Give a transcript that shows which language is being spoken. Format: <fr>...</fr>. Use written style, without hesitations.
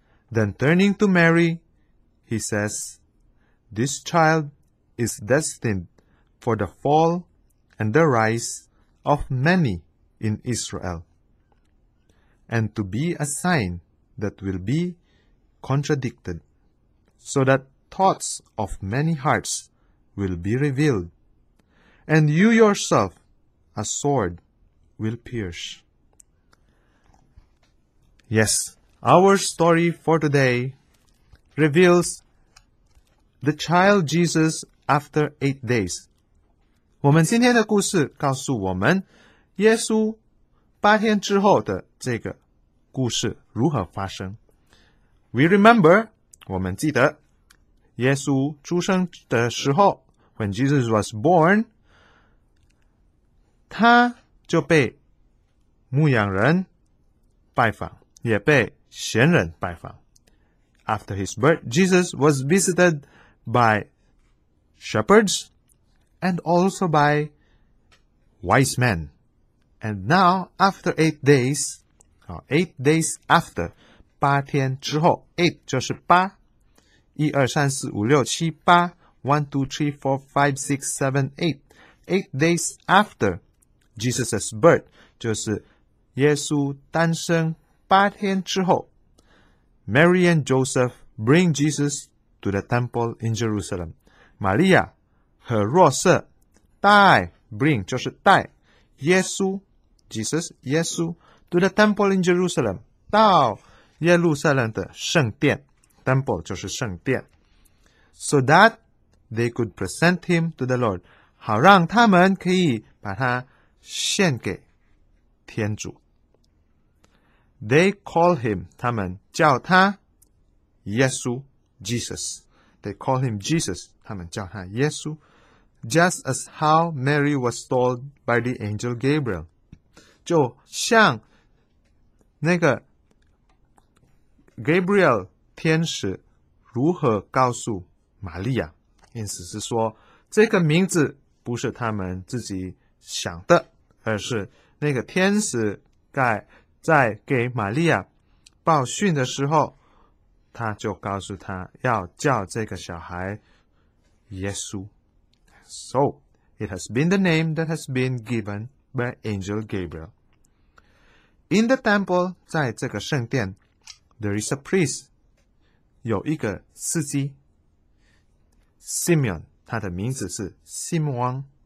<en>Then turning to Mary, he says, This child is destined for the fall and the rise of many in Israel, and to be a sign that will be contradicted, so that thoughts of many hearts will be revealed, and you yourself, a sword, will pierce. Yes. Our story for today reveals the child Jesus after 8 days.</en> <zh>我们今天的故事告诉我们耶稣八天之后的这个故事如何发生。</zh> <en>We remember,</en> <zh>我们记得耶稣出生的时候</zh> <en>when Jesus was born,</en> <zh>他就被牧羊人拜访也被贤人拜访。</zh> <en>After his birth, Jesus was visited by shepherds and also by wise men. And now, after 8 days, 8 days after,</en> <zh>八天之后</zh> <en>,8</en> <zh>就是八</zh> <en>,1,2,3,4,5,6,7,8 ,1,2,3,4,5,6,7,8 ,8 days after Jesus' birth,</en> <zh>就是耶稣诞生八天之后</zh> <en>Mary and Joseph bring Jesus to the temple in Jerusalem.</en> <zh>玛利亚和若瑟带 bring 就是带耶稣 Jesus 耶稣</zh> <en>to the temple in Jerusalem</en> <zh>到耶路撒冷的圣殿 temple 就是圣殿</zh> <en>so that they could present him to the Lord</en> <zh>好让他们可以把他献给天主</zh> <en>They call him,</en> <zh>他们叫他耶稣 Jesus.</zh> <en>They call him Jesus,</en> <zh>他们叫他耶稣</zh> <en>Just as how Mary was told by the angel Gabriel.</en> <zh>就像那个 Gabriel 天使如何告诉玛利亚。意思是说这个名字不是他们自己想的而是那个天使在在给玛利亚报讯的时候他就告诉他要叫这个小孩耶稣</zh> <en>So, it has been the name that has been given by angel Gabriel. In the temple,</en> <zh>在这个圣殿</zh> <en>there is a priest,</en> <zh>有一个司机 Simeon, 他的名字是 Simeon.</zh>